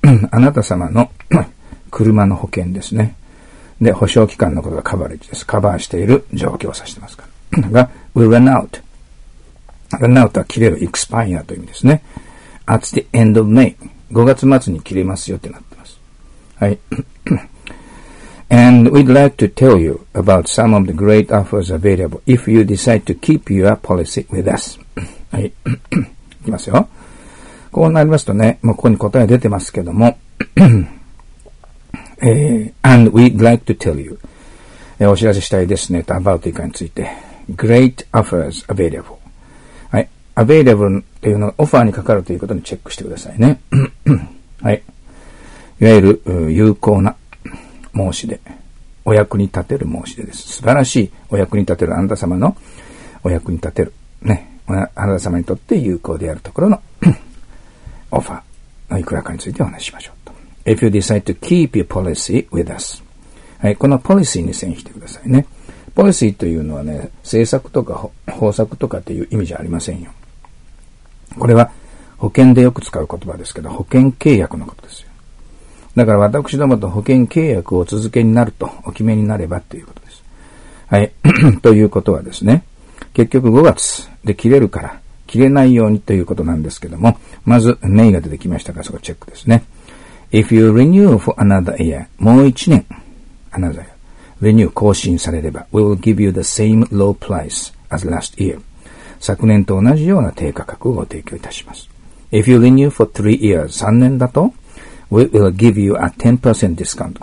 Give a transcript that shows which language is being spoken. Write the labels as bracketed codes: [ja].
[ja] あなた様の車の保険ですね。で、保証期間のことがカバレッジです。カバーしている状況を指してますから。が、 [en] will run out. [ja] run out は切れる、expire という意味ですね。 [en] at the end of May. [ja] 5月末に切れますよってなってます。はい。 [en] and we'd like to tell you about some of the great offers available if you decide to keep your policy with us. [ja] はい。いきますよ。こうなりますとね、もうここに答え出てますけども、 [en] and we'd like to tell you, [ja] お知らせしたいですね、と about 以下について、 [en] great offers available. [ja] はい、available というのがオファーにかかるということにチェックしてくださいね。はい、いわゆる有効な申し出、お役に立てる申し出です。素晴らしいお役に立てる、あなた様のお役に立てる、ね、あなた様にとって有効であるところの、オファーのいくらかについてお話しましょうと。 [en] If you decide to keep your policy with us. [ja] はい、このポリシーに線引いてくださいね。ポリシーというのはね、政策とか方策とかっていう意味じゃありませんよ。これは保険でよく使う言葉ですけど、保険契約のことですよ。だから私どもと保険契約を続けになると、お決めになればということです。はい、ということはですね、結局5月で切れるから、切れないようにということなんですけども、まず、メイが出てきましたから、そこチェックですね。 [en] If you renew for another year, [ja] もう一年、 [en] another year, renew [ja] 更新されれば、 [en] we will give you the same low price as last year. [ja] 昨年と同じような低価格をご提供いたします。 [en] If you renew for 3 years, [ja] 3年だと、 [en] we will give you a 10% discount.